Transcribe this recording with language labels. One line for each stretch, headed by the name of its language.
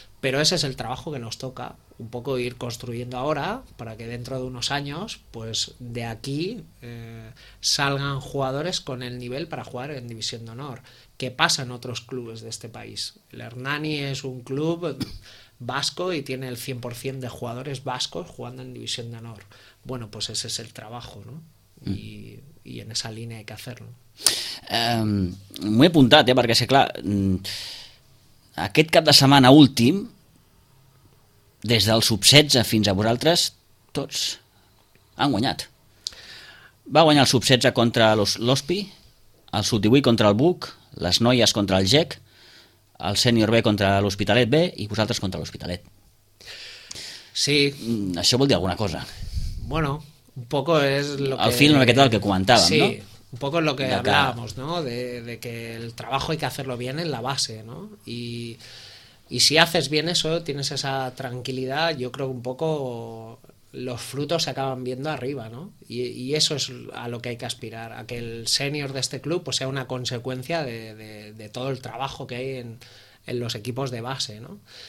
Spanish: Pero ese es el trabajo que nos toca, un poco ir construyendo ahora, para que dentro de unos años, pues de aquí salgan jugadores con el nivel para jugar en División de Honor. ¿Qué pasa en otros clubes de este país? El Hernani es un club vasco y tiene el 100% de jugadores vascos jugando en División de Honor. Bueno, pues ese es el trabajo, ¿no? Y en esa línea hay que hacerlo.
Catalan: M'ho he apuntat, perquè, sí, clar, aquest cap de setmana últim, des del sub-16 fins a vosaltres, tots han guanyat. Va guanyar el sub-16 contra l'OSPI, el sub-18 contra el BUC, les noies contra el GEC, el sènior B contra l'Hospitalet B i vosaltres contra l'Hospitalet. Sí. Això vol dir alguna cosa.
Spanish: Bueno, un poco es lo que...
Catalan: El film aquest del que comentàvem, sí, no?
Spanish: Sí, un poco es lo que hablábamos, ¿no? De que el trabajo hay que hacerlo bien en la base, ¿no? Y si haces bien eso, tienes esa tranquilidad, yo creo que un poco los frutos se acaban viendo arriba, ¿no? Y eso es a lo que hay que aspirar, a que el senior de este club pues sea una consecuencia de todo el trabajo que hay en los equipos de base, ¿no?